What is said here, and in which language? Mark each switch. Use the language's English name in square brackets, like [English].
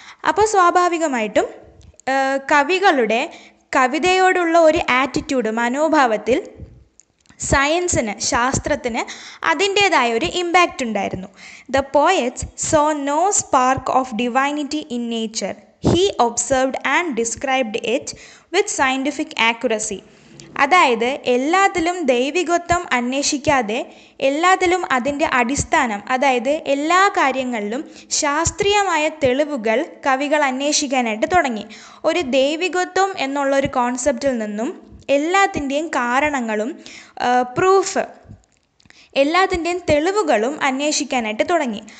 [Malayalam] അപ്പോൾ സ്വാഭാവികമായിട്ടും കവികളുടെ കവിതയോടുള്ള ഒരു ആറ്റിറ്റ്യൂഡ് മനോഭാവത്തിൽ സയൻസിന് ശാസ്ത്രത്തിന് അതിൻ്റേതായ ഒരു ഇമ്പാക്റ്റ് ഉണ്ടായിരുന്നു. [English] The poets saw no spark of divinity in nature. He observed and described it with scientific accuracy. [Malayalam] അതായത് എല്ലാത്തിലും ദൈവികത്വം അന്വേഷിക്കാതെ എല്ലാത്തിലും അതിൻ്റെ അടിസ്ഥാനം അതായത് എല്ലാ കാര്യങ്ങളിലും ശാസ്ത്രീയമായ തെളിവുകൾ കവികൾ അന്വേഷിക്കാനായിട്ട് തുടങ്ങി. ഒരു ദൈവികത്വം എന്നുള്ളൊരു കോൺസെപ്റ്റിൽ നിന്നും എല്ലാത്തിൻ്റെയും കാരണങ്ങളും പ്രൂഫ് എല്ലാത്തിൻ്റെയും തെളിവുകളും അന്വേഷിക്കാനായിട്ട് തുടങ്ങി.